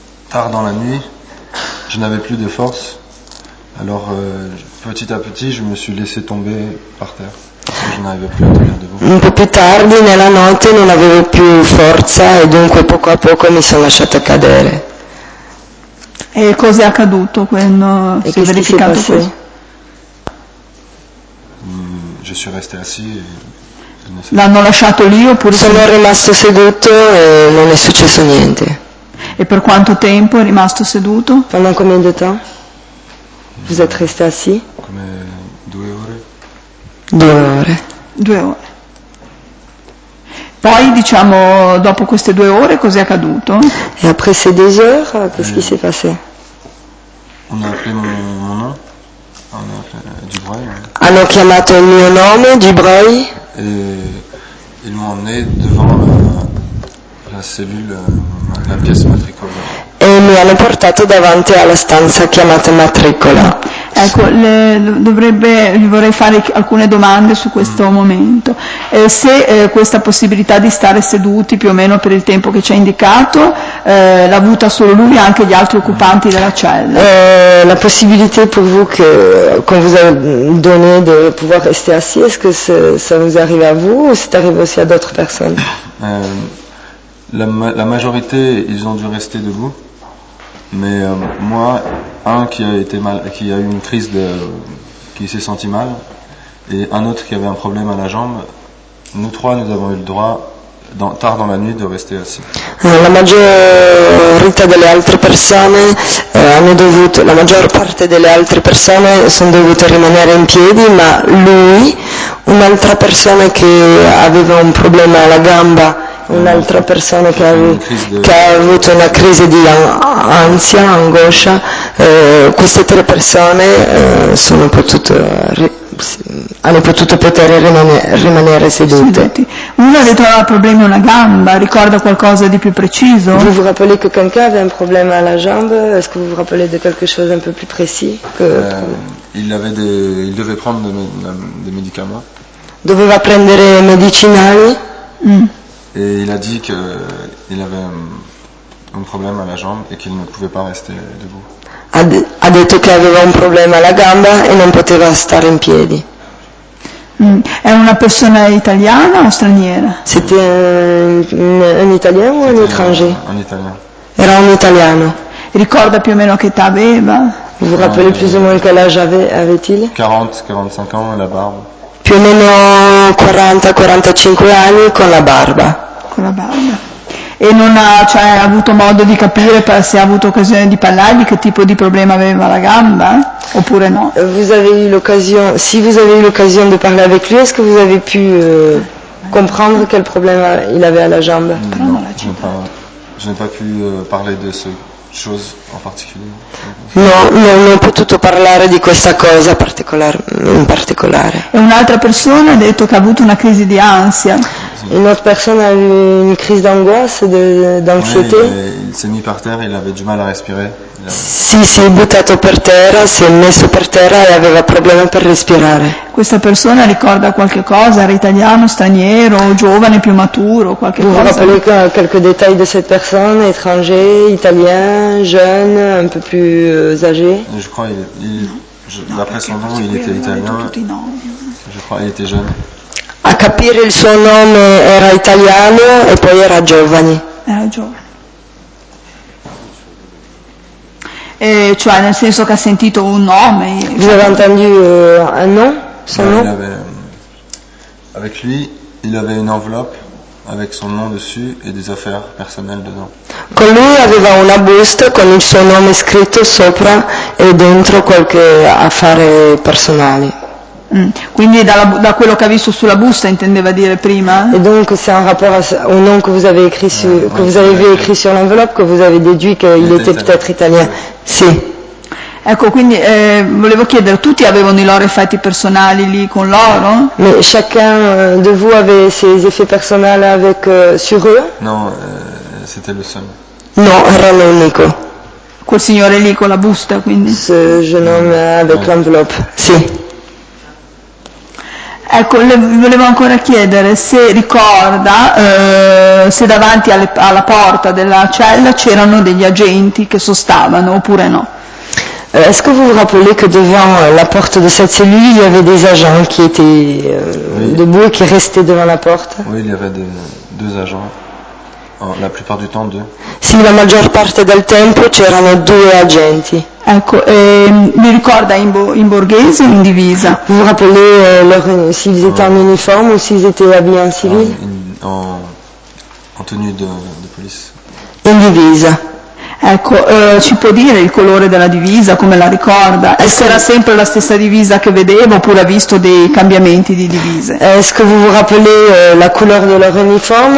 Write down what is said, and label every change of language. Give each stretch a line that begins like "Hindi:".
French: Tard dans la nuit, je n'avais plus de force. Alors petit à petit, je me suis laissé tomber par terre.
Italian: Un po' più tardi nella notte non avevo più forza e dunque poco a poco mi sono lasciata cadere. E cosa è accaduto quando si è verificato questo?
French: Je suis resté assis.
Italian: L'hanno lasciato lì oppure? Sono rimasto seduto e non è successo niente. E per quanto tempo è rimasto seduto?
French: Pendant combien de temps? Vous êtes resté assis?
Italian: Come 2 ore. 2 ore. 2 ore. Poi, diciamo, dopo queste 2 ore, cos'è accaduto?
French: E après ces 2 heures, qu'est-ce qui s'est passé? On a appelé mon nom. On a appelé Dubreuil.
Italian: Hanno chiamato il mio nome, Dubreuil.
French: E ils m'ont emmené devant la cellule, la pièce matricola.
Italian: E mi hanno portato davanti alla stanza chiamata matricola. Ecco, vorrei fare alcune domande su questo momento. Questa possibilità di stare seduti più o meno per il tempo che ci ha indicato l'ha avuta solo lui e anche gli altri occupanti della cella?
French: La possibilità per voi che con vous avez donné de pouvoir rester assis, est-ce que ça vous arrive à vous ou c'est arrivé aussi à d'autres personnes?
Italian: La maggiorità,
French: ils ont dû rester debout. Mais moi, un qui a été mal, qui a eu une crise de, qui s'est senti mal, et un autre qui avait un problème à la jambe, nous trois, nous avons eu le droit, tard dans la nuit, de rester assis.
Italian: La maggiorità delle altre persone hanno dovuto, la maggior parte delle altre persone sono dovute rimanere in piedi, ma lui, un'altra persona che aveva un problema alla gamba. Un'altra persona che ha avuto una crisi di ansia, angoscia, queste 3 persone hanno potuto poter rimanere sedute. Sì, una ha detto che aveva problemi alla gamba, ricorda qualcosa di più preciso?
French: Vous vous rappelez que quelqu'un avait un problème à la jambe? Est-ce que vous vous rappelez de quelque chose un peu plus précis? Il devait prendre des médicaments.
Italian: Doveva prendere medicinali?
French: Et il a dit qu'il avait un problème à la jambe et qu'il ne pouvait pas rester debout.
Italian: Ha detto che aveva un problema alla gamba e non poteva stare in piedi. È una persona italiana o straniera?
French: C'était un italien ou un étranger? Un italien.
Italian: Era un italiano. Ricorda più o meno che età aveva?
French: Vous vous rappelez plus ou moins quel âge avait-il? 40-45 ans, la barbe.
Italian: Più o meno 40-45 anni con la barba. Con la barba. E non ha, cioè, ha avuto modo di capire se ha avuto occasione di parlargli che tipo di problema aveva la gamba oppure no?
French: Vous avez eu l'occasion, si vous avez eu l'occasion de parler avec lui, est-ce que vous avez pu comprendre quel problema il avait à la jambe? Je n'ai pas pu parler de ce chose en particulier.
Italian: No, non ho potuto parlare di questa cosa in particolare. E un'altra persona ha detto che ha avuto una crisi di ansia.
French: Une autre personne a eu une crise d'angoisse, d'anxiété. Ouais, il s'est mis par terre, il avait du mal à respirer.
Italian: Si, è buttato per terra, si è messo per terra e aveva problemi per respirare. Questa persona ricorda qualche cosa? Era italiano, straniero, giovane, più maturo, qualche cosa?
French: Vous rappelez quelques détails de cette personne? Étranger, italien, jeune, un peu plus âgé? Je crois, d'après son nom, il était italien. Je crois, il était jeune.
Italian: A capire il suo nome era italiano e poi era giovane. Era giovane. E cioè nel senso che ha sentito un nome.
French: Vous avez entendu un nom? Son nom? Avec lui, il avait une enveloppe avec son nom dessus et des affaires personnelles dedans.
Italian: Colui aveva una busta con il suo nome scritto sopra e dentro qualche affare personali. Quindi da quello che ha visto sulla busta intendeva dire prima? E dunque c'è un rapporto al nome che
French: vous avez écrit su, che vous avez vu écrit sur l'enveloppe, che vous avez déduit qu'il était peut-être italien.
Italian: Sì. Ecco, quindi volevo chiedere, tutti avevano i loro effetti personali lì con loro?
French: Ma chacun de vous avait ses effets personnels avec sur eux? No, c'était le seul.
Italian: No, era l'unico. Quel signore lì con la busta, quindi?
French: Ce jeune homme avec l'enveloppe,
Italian: sì. Ecco, le volevo ancora chiedere se ricorda se davanti alla porta della cella c'erano degli agenti che sostavano oppure no.
French: Est-ce que vous vous rappelez que devant la porte de cette cellule, il y avait des agents qui étaient debout et qui restaient devant la porte? Oui, il y avait deux agents. La plupart du temps, deux.
Italian: Si, la maggior parte del tempo, c'erano due agenti. Ecco, mi ricorda in borghese o in divisa?
French: Vous vous rappelez s'ils étaient en uniforme ou s'ils étaient habillés en civil? En tenue de police.
Italian: In divisa. Ecco, ci può dire il colore della divisa, come la ricorda?
French: Est-ce
Italian: era sempre la stessa divisa che vedevo oppure ha visto dei cambiamenti di divise?
French: Est-ce que vous vous rappelez la couleur de leur uniforme?